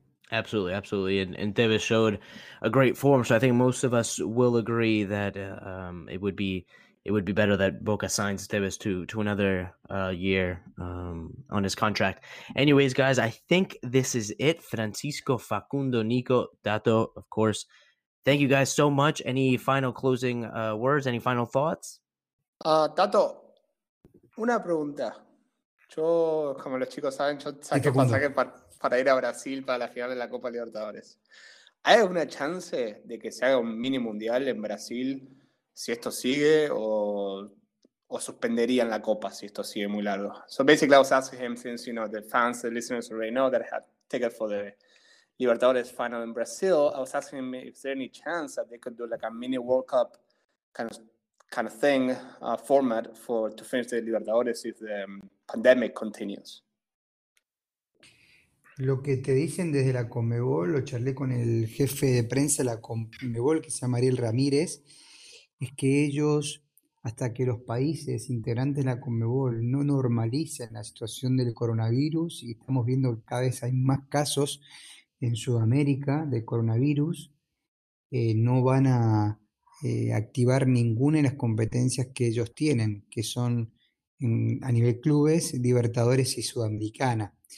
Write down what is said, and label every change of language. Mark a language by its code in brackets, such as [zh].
[en] Absolutely, absolutely. And Tevez showed a great form. So I think most of us will agree that it would be better that Boca signs Tevez to another year on his contract. Anyways, guys, I think this is it. Francisco, Facundo, Nico, Tato, of course. Thank you guys so much. Any final closing words? Any final thoughts? [es] Tato, una pregunta. Yo, como los chicos saben, yo saqué pasaje para ir a Brasil para la final de la Copa Libertadores. ¿Hay alguna chance de que se haga un mini mundial en Brasil si esto sigue o suspenderían la Copa si esto sigue muy largo? [en] So basically I was asking him, since you know the fans, the listeners already know that I had ticket for the Libertadores final in Brazil, I was asking him if there's any chance that they could do like a mini World Cup kind of thing, format for to finish the Libertadores if the pandemic continues. [es] Lo que te dicen desde la Conmebol, lo charlé con el jefe de prensa de la Conmebol, que se llama Ariel Ramírez, es que ellos, hasta que los países integrantes de la Conmebol no normalicen la situación del coronavirus, y estamos viendo que cada vez hay más casos en Sudamérica de coronavirus, no van a activar ninguna de las competencias que ellos tienen, que son a nivel clubes, Libertadores y Sudamericana.